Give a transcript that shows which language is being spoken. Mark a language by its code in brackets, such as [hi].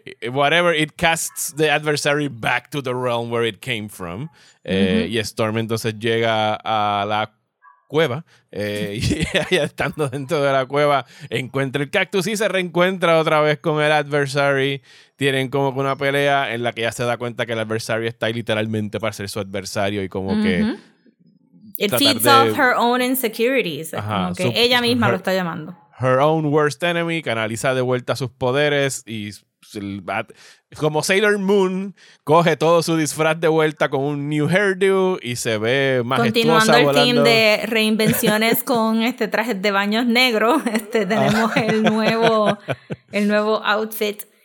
[en] Whatever, it casts the adversary back to the realm where it came from. [es] Mm-hmm. Y Storm entonces llega a la cueva. Y estando dentro de la cueva, encuentra el cactus y se reencuentra otra vez con el adversary. Tienen como una pelea en la que ya se da cuenta que el adversary está ahí literalmente para ser su adversario y como mm-hmm. que... [en] It feeds off her own insecurities. [es] Ajá, como que ella misma lo está llamando. [en] Her own worst enemy, [es] canaliza de vuelta sus poderes y como Sailor Moon, coge todo su disfraz de vuelta con un [en] new hairdo [es] y se ve majestuosa volando. Continuando el team de reinvenciones con este traje de baños negro, tenemos el nuevo outfit.